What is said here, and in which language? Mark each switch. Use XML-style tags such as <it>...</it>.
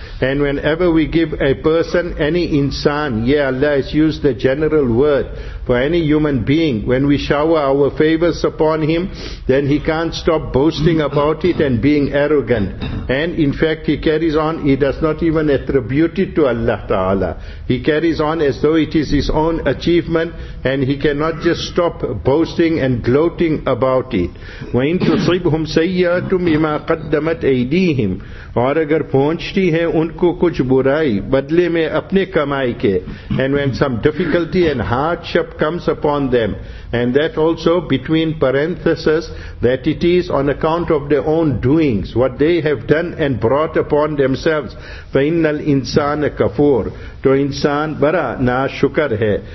<en>And whenever we give a person, any insan, yeah, Allah has used the general word for any human being, when we shower our favors upon him, then he can't stop boasting about it and being arrogant. And in fact, he carries on, he does not even attribute it to Allah Ta'ala. He carries on as though it is his own achievement, and he cannot just stop boasting and gloating about it.</en> <ar>وَإِنْ تُصِبْهُمْ سَيَّاتُمْ إِمَا قَدَّمَتْ أَيْدِيهِمْ.</ar> <ur>اور اگر پہنچتی ہے ان کو کچھ برائی بدلے میں اپنے کمائی کے.</ur> <en>And when some difficulty and hardship comes upon them, and that also between parentheses, that it is on account of their own doings, what they have done and brought upon themselves.</en> <ar>فَإِنَّ الْإِنسَانَ كَفُورَ.</ar> <ur>تو انسان برا ناشکر ہے.</ur>